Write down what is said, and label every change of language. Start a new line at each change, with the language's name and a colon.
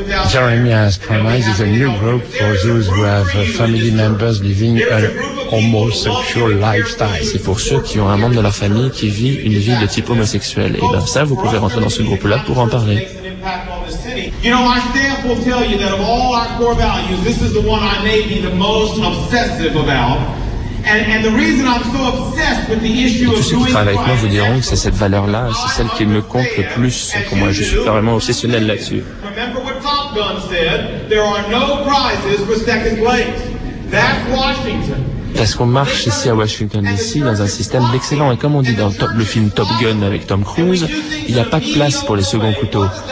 English: Jeremy has promised is a new group for those who have family members living a homosexual lifestyle.
French: C'est pour ceux qui ont un membre de leur famille qui vit une vie de type homosexuel. Et bien ça, vous pouvez rentrer dans ce groupe-là pour en parler.
English: You know, my staff will tell you that of all our core values, this is the one I may be the most obsessive about. And the reason I'm so obsessed with the issue of
French: tous ceux qui travaillent avec moi vous diront que c'est cette valeur-là, c'est celle qui me compte le plus pour moi. Je suis vraiment obsessionnel là-dessus.
English: Remember what Top Gun said, there are no prizes for second place. That's Washington.
French: Parce qu'on marche ici à Washington DC dans un système d'excellent. Et comme on dit dans le film Top Gun avec Tom Cruise, il n'y a pas de place pour les seconds couteaux.